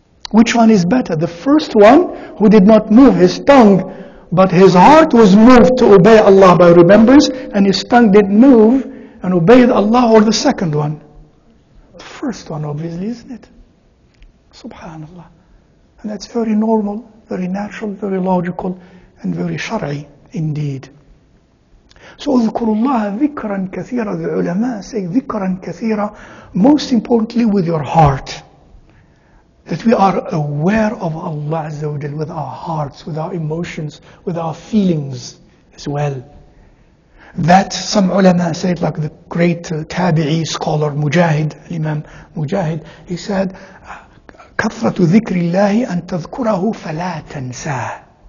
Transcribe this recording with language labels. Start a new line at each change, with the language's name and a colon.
English: Which one is better? The first one who did not move his tongue, but his heart was moved to obey Allah by remembrance, and his tongue didn't move and obeyed Allah, or the second one? The first one, obviously, isn't it? Subhanallah. And that's very normal, very natural, very logical, and very shar'i indeed. So,
Arabic: اذكروا الله ذكرا كثيرا.
English: The ulama say
Arabic: ذكرا كثيرا,
English: most importantly with your heart. That we are aware of Allah Azza wa Jal with our hearts, with our emotions, with our feelings as well. That some ulama said, like the great tabi'i scholar Mujahid, Imam Mujahid, he said,
Arabic: كَثْرَةُ ذِكْرِ اللَّهِ أَن تَذْكُرَهُ فَلَا تَنْسَى.